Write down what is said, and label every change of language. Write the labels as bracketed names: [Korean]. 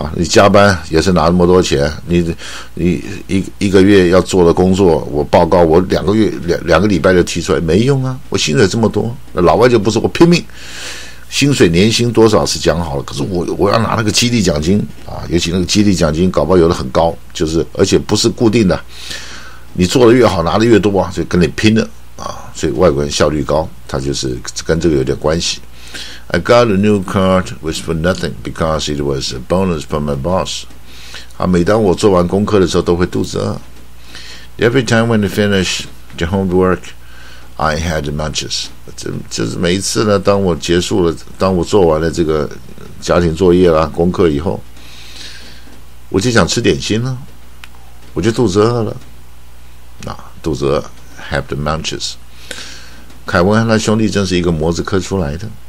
[Chinese] 啊，你加班也是拿那么多钱，你一个月要做的工作，我报告我两个礼拜就提出来没用啊，我薪水这么多，那老外就不是我拼命，薪水年薪多少是讲好了，可是我要拿那个激励奖金啊，尤其那个激励奖金搞不好有的很高，就是而且不是固定的，你做的越好拿的越多啊，就跟你拼了啊，所以外国人效率高，他就是跟这个有点关系。 [English] I got a new card, which for nothing, because it was a bonus from my boss. [Chinese] 啊，每当我做完功课的时候，都会肚子饿。 [English] Every time when I finish the homework, I had munches. [Chinese] 就是每一次呢，当我结束了，当我做完了这个家庭作业啦、功课以后，我就想吃点心了，我就肚子饿了。啊，肚子饿 ， [English] have the munches. [Chinese] 凯文和他兄弟真是一个模子刻出来的。